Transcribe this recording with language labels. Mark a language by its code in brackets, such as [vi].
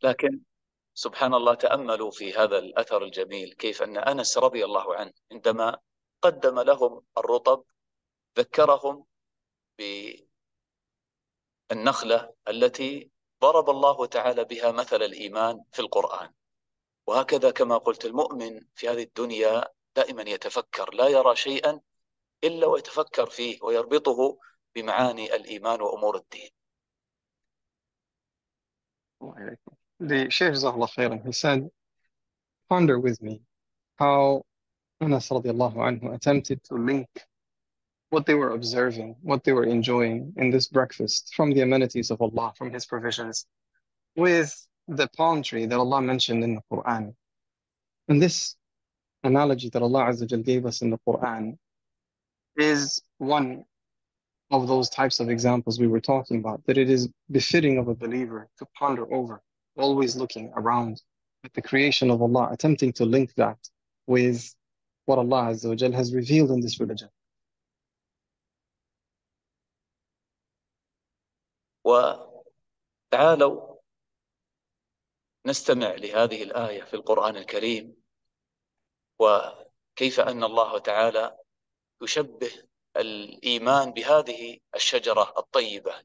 [ar] لكن سبحان الله، تأملوا في هذا الأثر الجميل، كيف أن أنس رضي الله عنه عندما قدم لهم الرطب ذكرهم بالنخلة التي ضرب الله تعالى بها مثل الإيمان في القرآن. وهكذا كما قلت، المؤمن في هذه الدنيا دائما يتفكر، لا يرى شيئا إلا ويتفكر فيه ويربطه بمعاني الإيمان وأمور الدين. [en] The Shaykh Zahla Khairan, he said, ponder with me how Anas radiallahu anhu attempted to link what they were observing, what they were enjoying in this breakfast from the amenities of Allah, from His provisions, with the palm tree that Allah mentioned in the Quran. And this analogy that Allah Azza Jal gave us in the Quran is one of those types of examples we were talking about, that it is befitting of a believer to ponder over, always looking around at the creation of Allah, attempting to link that with what Allah Azza wa Jal has revealed in this religion. [ar] وتعالوا نستمع لهذه الآية في القرآن الكريم، وكيف أن الله تعالى يشبه الإيمان بهذه الشجرة الطيبة.